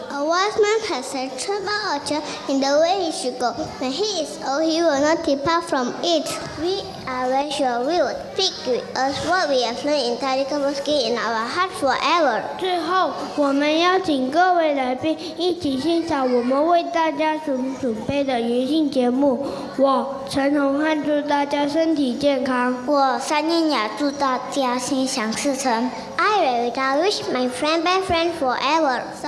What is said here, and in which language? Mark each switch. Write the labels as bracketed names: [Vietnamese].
[English] A wise man has said, "Treat my child in the way he should go, when he is old, he will not depart from it." We are very sure we will take with us what we have learned in Tadi Kafuski in our hearts forever. [Chinese] 最后，我们邀请各位来宾一起欣赏我们为大家所准备的娱乐节目。我陈宏汉祝大家身体健康。我三念雅祝大家心想事成。 [English] I really wish my friend best friend forever.